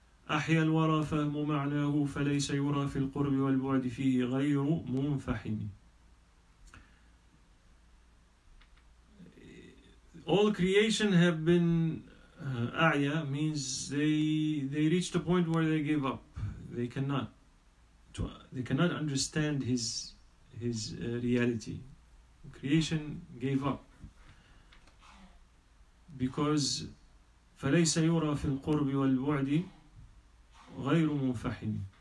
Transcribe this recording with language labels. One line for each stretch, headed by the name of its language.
Arabic: أحيى الورى فهم معناه فليس يرى في القرب والبعد فيه غير منفحم.
English: All creation have been a'ya, means they reached a point where they gave up. They cannot understand his reality. Creation gave up because
Arabic: فليس يرى في القرب والبعد غير منفحم.